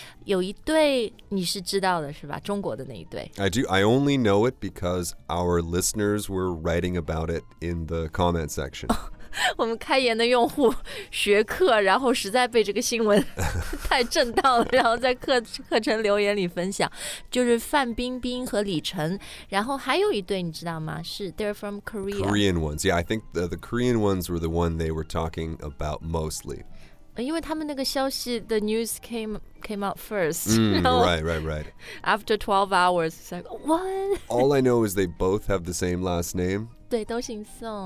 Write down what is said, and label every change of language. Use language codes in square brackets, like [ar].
[zh] 有一对你是知道的是吧？中国的那一对。 [en] I do. I only know it because our listeners were writing about it in the comment section. [zh] 我们开言的用户学课，然后实在被这个新闻太震到了，然后在课程留言里分享，就是范冰冰和李晨，然后还有一对你知道吗？ [en] 是 they're from Korea. Korean ones. Yeah, I think the Korean ones were the one they were talking about mostly. [zh] 因为他们那个消息 [en] the news came out first. Right. After 12 hours, it's like, what? All I know is they both have the same last name. [zh] 对，都姓宋。